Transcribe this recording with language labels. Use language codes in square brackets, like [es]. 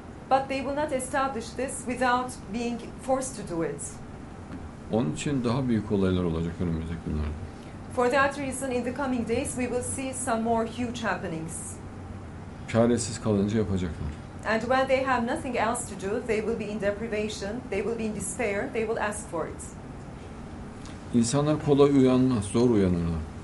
[en] But they will not establish this without being forced to do it. [tr] Onun için daha büyük olaylar olacak önümüzdeki günlerde. [en] For that reason, in the coming days, we will see some more huge happenings. [tr] Çaresiz kalınca yapacaklar. [en] And when they have nothing else to do, they will be in deprivation, they will be in despair, they will ask for it. [tr] İnsanlar kolay uyanmaz, zor uyanırlar.